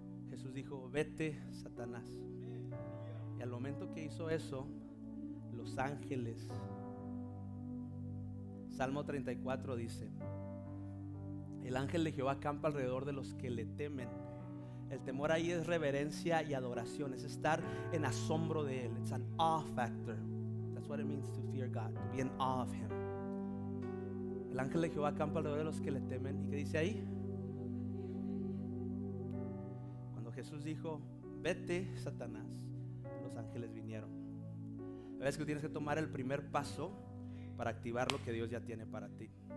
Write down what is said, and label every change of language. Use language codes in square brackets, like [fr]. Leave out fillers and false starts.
[es] Jesús dijo, vete Satanás. Y al momento que hizo eso, los ángeles. Salmo 34 dice, el ángel de Jehová acampa alrededor de los que le temen. El temor ahí es reverencia y adoración, es estar en asombro de Él. [en] It's an awe factor. That's what it means to fear God, to be in awe of Him. [es] El ángel de Jehová acampa alrededor de los que le temen. ¿Y qué dice ahí? Cuando Jesús dijo, vete Satanás, los ángeles vinieron. La verdad es que tienes que tomar el primer paso para activar lo que Dios ya tiene para ti.